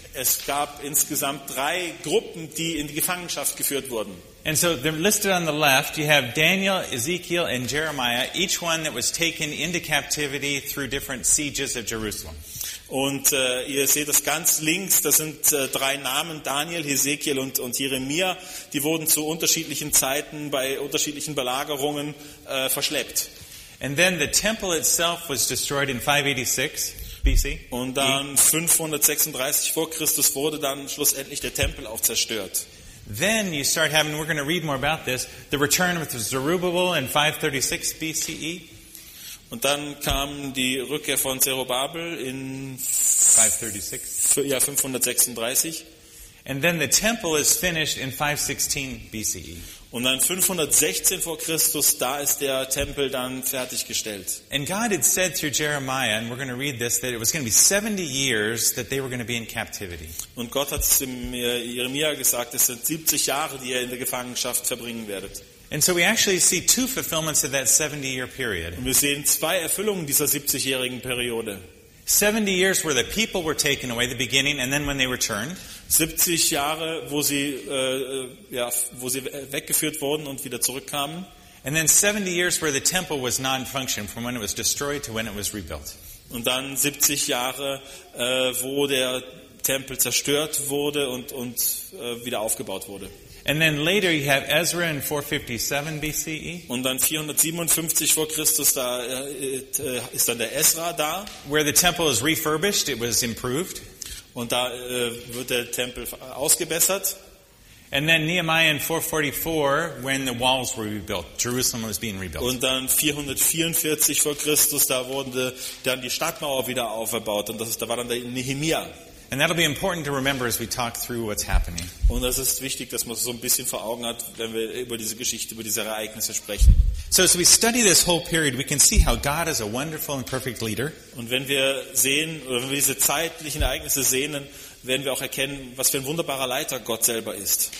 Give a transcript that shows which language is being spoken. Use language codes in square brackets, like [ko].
[de] Es gab insgesamt drei Gruppen, die in die Gefangenschaft geführt wurden. [en] And so they're listed on the left. You have Daniel, Ezekiel, and Jeremiah, each one that was taken into captivity through different sieges of Jerusalem. [de] Und ihr seht das ganz links, das sind drei Namen, Daniel, Ezekiel und Jeremia. Die wurden zu unterschiedlichen Zeiten bei unterschiedlichen Belagerungen verschleppt. [en] And then the temple itself was destroyed in 586 BC. [de] Und dann 536 vor Christus wurde dann schlussendlich der Tempel auch zerstört. [en] Then you start having, we're going to read more about this, the return with Zerubbabel in 536 BCE. [de] Und dann kam die Rückkehr von Zerubbabel in 536. Ja, 536. [en] And then the temple is finished in 516 BCE. [de] Und dann 516 vor Christus, da ist der Tempel dann fertiggestellt. [en] And God had said through Jeremiah, and we're going to read this, that it was going to be 70 years that they were going to be in captivity. [de] Und Gott hat Jeremia gesagt, es sind 70 Jahre, die ihr in der Gefangenschaft verbringen werdet. [en] And so we actually see two fulfillments of that 70-year period. [de] Und wir sehen zwei Erfüllungen dieser 70-jährigen Periode. [en] 70 years where the people were taken away, the beginning, and then when they returned. [de] 70 Jahre, wo sie weggeführt wurden und wieder zurückkamen. [en] And then 70 years where the temple was non-functioning, from when it was destroyed to when it was rebuilt. [de] Und dann 70 Jahre, wo der Tempel zerstört wurde und wieder aufgebaut wurde. [en] And then later you have Ezra in 457 BCE. [de] Und dann 457 vor Christus da ist dann der Ezra da. [en] Where the temple is refurbished, it was improved. [de] Und da wird der Tempel ausgebessert. [en] And then Nehemiah in 444, when the walls were rebuilt, Jerusalem was being rebuilt. [de] Und dann 444 vor Christus da wurden dann die Stadtmauer wieder aufgebaut und das ist, da war dann der Nehemia. [en] And that'll be important to remember as we talk through what's happening. [de] Und das ist wichtig, dass man so ein bisschen vor Augen hat, wenn wir über diese Geschichte, über diese Ereignisse sprechen. [en] So as we study this whole period, we can see how God is a wonderful and perfect leader. [de] Und wenn wir sehen, oder wenn wir diese zeitlichen Ereignisse sehen, dann werden wir auch erkennen, was für ein wunderbarer Leiter Gott selber ist.